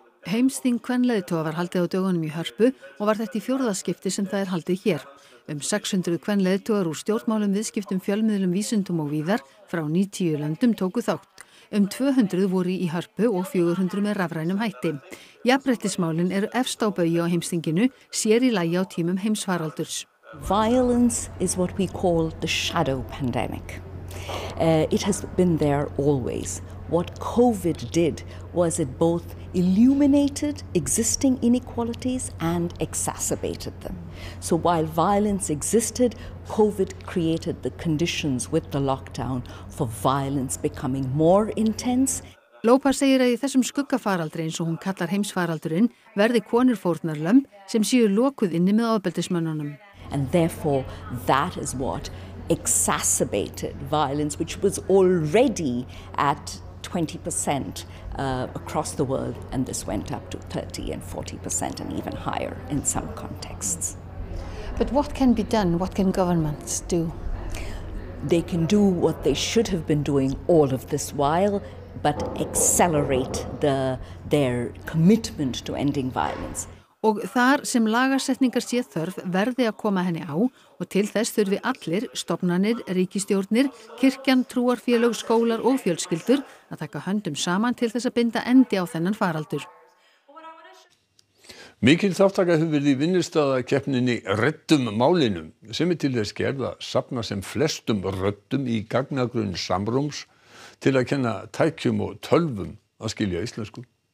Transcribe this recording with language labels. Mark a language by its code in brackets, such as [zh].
[is] Heimsþing kvenleiðtoga var haldið á dögunum í Hörpu og var þetta í fjórðaskipti sem það er haldið hér. 600 kvenleiðtogar úr stjórnmálum, viðskiptum, fjölmiðlum, vísindum og víðar frá 90 löndum tóku þátt. 200 voru í Hörpu og 400 með rafrænum hætti. Jafnréttismálin eru efst á baugi á heimsþinginu, sér í lagi á tímum heimsfaraldurs. [en] Violence is what we call the shadow pandemic. It has been there always. What COVID did was it both illuminated existing inequalities and exacerbated them. So while violence existed, COVID created the conditions with the lockdown for violence becoming more intense. [is] Lópa segir að í þessum skuggafaraldri, eins og hún kallar heimsfaraldurinn, verði konur fórnarlömb sem séu lokuð inni með ofbeldismönnunum. [en] And therefore, that is what exacerbated violence, which was already at 20% across the world, and this went up to 30 and 40% and even higher in some contexts. But what can be done? What can governments do? They can do what they should have been doing all of this while, but accelerate their commitment to ending violence. [is] Og þar sem lagasetningar sé þörf verði að koma henni á og til þess þurfi allir, stofnanir, ríkisstjórnir, kirkjan, trúarfélög, skólar og fjölskyldur að taka höndum saman til þess að binda endi á þennan faraldur. Mikil þáttaka hefur verið í vinnustaðakeppninni Reddum málinum sem er til þess gerð að safna sem flestum röddum í gagnagrunn Samrúms til að kenna tækjum og tölvum að skilja íslensku.